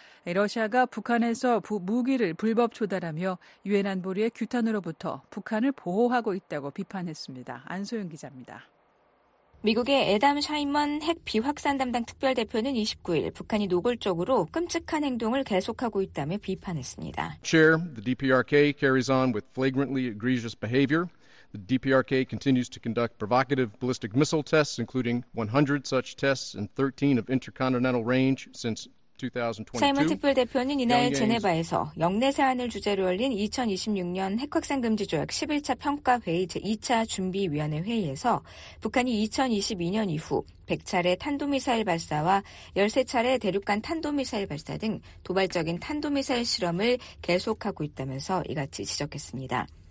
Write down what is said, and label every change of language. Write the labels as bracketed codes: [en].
[ko] 러시아가 북한에서 무기를 불법 조달하며 유엔 안보리의 규탄으로부터 북한을 보호하고 있다고 비판했습니다. 안소영 기자입니다. 미국의 애담 샤인먼 핵 비확산 담당 특별대표는 29일 북한이 노골적으로 끔찍한 행동을 계속하고 있다며 비판했습니다. [en] Chair, the DPRK carries on with flagrantly egregious behavior. The DPRK continues to conduct provocative ballistic missile tests, including 100 such tests and 13 of intercontinental range since [ko] 샤이먼 특별대표는 이날 제네바에서 영내 사안을 주제로 열린 2026년 핵확산 금지 조약 11차 평가회의 제2차 준비위원회 회의에서 북한이 2022년 이후 100차례 탄도미사일 발사와 13차례 대륙간 탄도미사일 발사 등 도발적인 탄도미사일 실험을 계속하고 있다면서 이같이 지적했습니다.